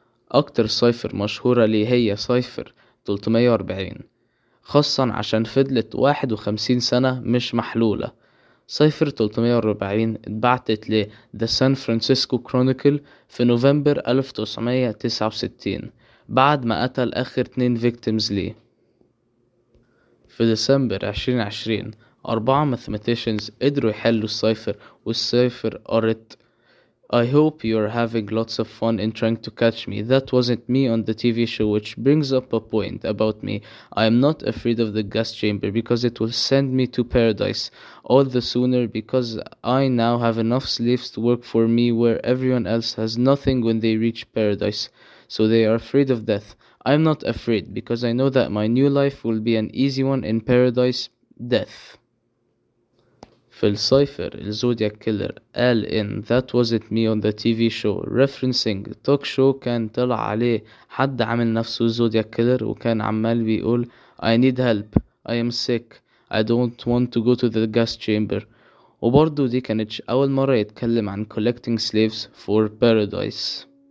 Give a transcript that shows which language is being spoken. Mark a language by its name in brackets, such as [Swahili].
[Arabic] اكتر سايفر مشهورة ليه هي سايفر 340، خاصا عشان فضلت 51 سنة مش محلولة. سايفر 340 اتبعتت ل The San Francisco Chronicle في نوفمبر 1969 بعد ما قتل اخر 2 فيكتيمز ليه. في ديسمبر 2020 4 ماثيماتيشنز قدروا يحلوا السايفر، والسايفر قرت [English] I hope you're having lots of fun in trying to catch me. That wasn't me on the TV show, which brings up a point about me. I am not afraid of the gas chamber because it will send me to paradise all the sooner, because I now have enough slaves to work for me where everyone else has nothing when they reach paradise. So they are afraid of death. I'm not afraid because I know that my new life will be an easy one in paradise, death. [Arabic] في السايفر الزودياك كيلر قال ان [English] that wasn't me on the TV show referencing talk show [Arabic] كان طلع عليه حد عامل نفسه زودياك كيلر وكان عمال بيقول [English] I need help I am sick I don't want to go to the gas chamber. [Arabic] وبرضو دي كانتش اول مرة يتكلم عن [English] collecting slaves for paradise.